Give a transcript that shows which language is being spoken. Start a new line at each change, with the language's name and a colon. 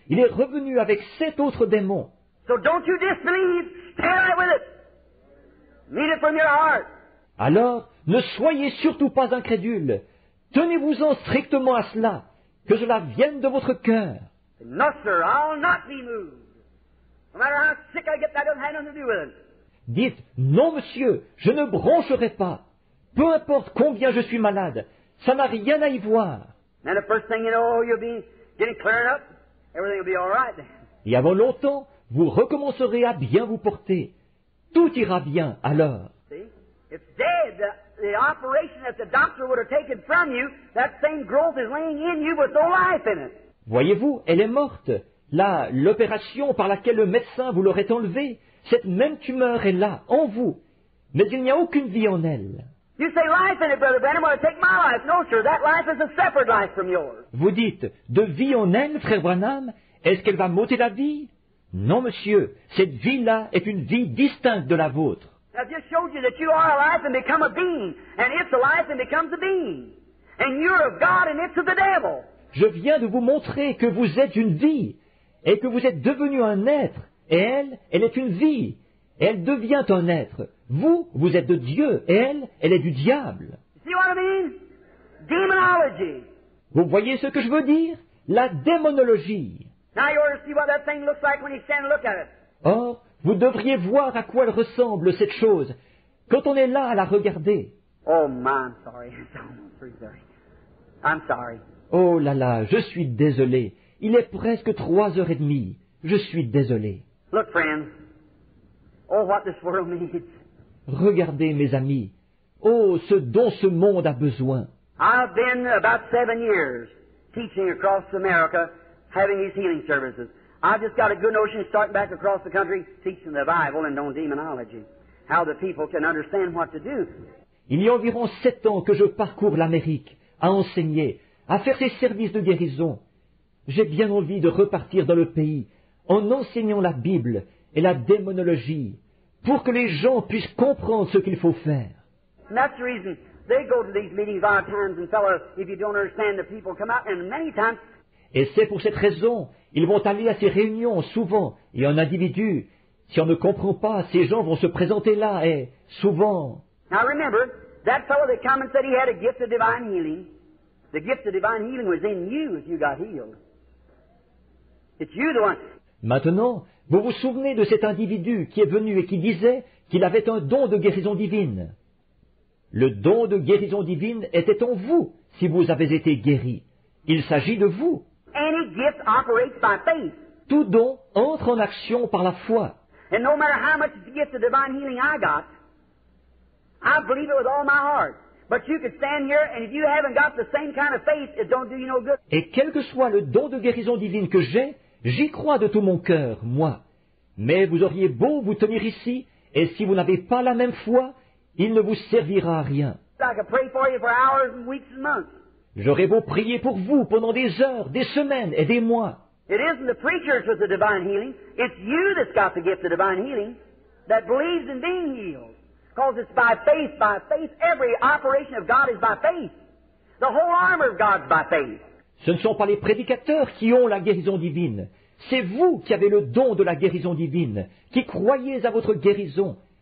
French: Il est revenu avec 7 autres démons.
English: So don't you disbelieve. Stay right with it. Meet it from your heart.
French: Alors, ne soyez surtout pas incrédule. Tenez-vous-en strictement à cela, que cela vienne de votre cœur.
English: No, sir, I'll not be moved. No matter how sick I get, that doesn't have nothing to do with it.
French: Dites, non, monsieur, je ne broncherai pas. Peu importe combien je suis malade, ça n'a rien à y voir.
English: And the first thing you know, you'll be getting cleared up. Everything will be all right.
French: Et avant longtemps, vous recommencerez à bien vous porter. Tout ira bien alors.
English: It's dead. The operation that the doctor would have taken from you, that same growth is laying in you with no life in it.
French: Voyez-vous, elle est morte. Là, l'opération par laquelle le médecin vous l'aurait enlevée, cette même tumeur est là, en vous. Mais il n'y a aucune vie en elle.
English: You say life in it, Brother Branham. Well, take my life. No, sir, that life is a separate life from yours.
French: Vous dites, de vie en elle, Frère Branham, est-ce qu'elle va m'ôter la vie? Non, monsieur, cette vie-là est une vie distincte de la vôtre.
English: I just showed you that you are alive and become a being, and it's alive and becomes a being, and you're of God and it's of the devil.
French: Je viens de vous montrer que vous êtes une vie et que vous êtes devenu un être. Et elle est une vie. Et elle devient un être. Vous êtes de Dieu. Et elle est du diable.
English: You see what I mean? Demonology.
French: Vous voyez ce que je veux dire? La démonologie.
English: Now you ought to see what that thing looks like when you stand and look at it.
French: Or, vous devriez voir à quoi elle ressemble, cette chose, quand on est là à la regarder.
English: Oh, my, I'm sorry. It's almost 3:30. I'm sorry.
French: Oh là là, je suis désolé. Il est presque 3:30. Je suis désolé.
English: Look, friends. Oh, what this world needs.
French: Regardez, mes amis. Oh, ce dont ce monde a besoin.
English: I've been about 7 years teaching across America, having these healing services. I just got a good notion starting back across the country teaching the Bible and on demonology, how the people can understand what to do.
French: Il y a environ 7 ans que je parcours l'Amérique à enseigner, à faire ces services de guérison. J'ai bien envie de repartir dans le pays en enseignant la Bible et la démonologie pour que les gens puissent comprendre ce qu'il faut faire.
English: And that's the reason they go to these meetings a lot of times and tell us if you don't understand the people come out and many times.
French: Et c'est pour cette raison, ils vont aller à ces réunions souvent, et en individu. Si on ne comprend pas, ces gens vont se présenter là, et souvent.
English: Now remember, that fellow that came and said he had a gift of divine healing, the gift of divine healing was in you if you got healed. It's you the one.
French: Maintenant, vous vous souvenez de cet individu qui est venu et qui disait qu'il avait un don de guérison divine. Le don de guérison divine était en vous si vous avez été guéri. Il s'agit de vous.
English: Any gift operates by faith.
French: Tout don entre en action par la foi.
English: And no matter how much the gift of divine healing I got, I believe it with all my heart. But you could stand here, and if you haven't got the same kind of faith, it don't do you no good.
French: Et quel que soit le don de guérison divine que j'ai, j'y crois de tout mon cœur, moi. Mais vous auriez beau vous tenir ici, et si vous n'avez pas la même foi, il ne vous servira à rien.
English: I could pray for you for hours and weeks and months.
French: J'aurais beau prier pour vous pendant des heures, des semaines et des mois.
English: It isn't the preachers with the divine healing. It's you that's got the gift of divine healing that believes in being healed. Because it's by faith, every operation of God is by faith. The whole armor of God is by faith.
French: Ce ne sont pas les prédicateurs qui ont la guérison divine. C'est vous qui avez le don de la guérison divine, qui croyez à votre guérison.